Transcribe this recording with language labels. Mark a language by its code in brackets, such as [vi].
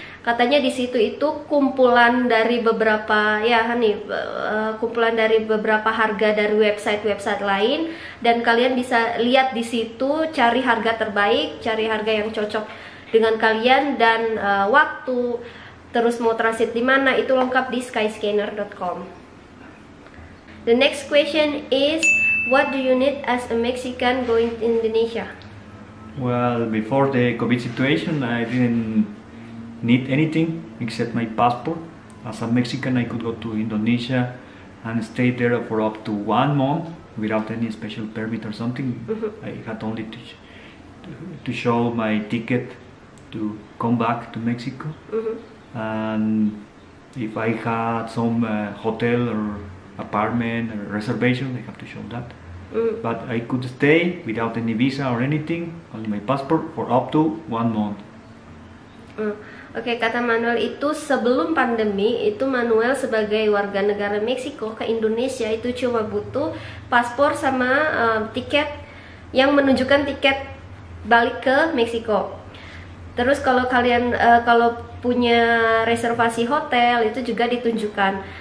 [id] Katanya di situ itu kumpulan dari beberapa kumpulan dari beberapa harga dari website-website lain, dan kalian bisa lihat di situ, cari harga terbaik, cari harga yang cocok dengan kalian dan waktu, terus mau transit di mana, itu lengkap di Skyscanner.com. [en] The next question is, what do you need as a Mexican going to Indonesia? Well, before the COVID situation, I didn't need anything except my passport. As a Mexican, I could go to Indonesia and stay there for up to 1 month without any special permit or something. Mm-hmm. I had only to show my ticket to come back to Mexico. Mm-hmm. And if I had some hotel or apartment or reservation, I have to show that. Mm-hmm. But I could stay without any visa or anything, only my passport, for up to 1 month. [id] Okay, kata Manuel itu sebelum pandemi, itu Manuel sebagai warga negara Meksiko ke Indonesia itu cuma butuh paspor sama tiket yang menunjukkan tiket balik ke Meksiko. Terus kalau kalian kalau punya reservasi hotel itu juga ditunjukkan.